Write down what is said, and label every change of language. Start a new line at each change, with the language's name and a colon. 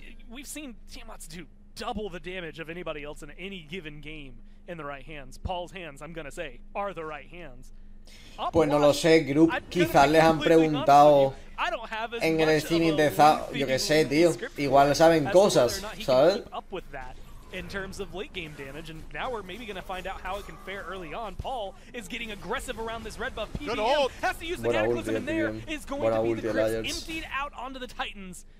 English: We've seen Tiamat do double the damage of anybody else in any given game in the right hands. Paul's hands, I'm gonna say, are the right hands.
Spanish: Pues no lo sé, Group. Quizás les han preguntado en el streaming de Zap. Yo qué sé, tío. Igual saben cosas, ¿sabes?
English: in terms of late game damage, and now we're maybe going to find out how it can fare early on. Paul is getting aggressive around this red buff. PBM has to use the cataclysm, and there is going to be the crypts emptied out onto the Titans.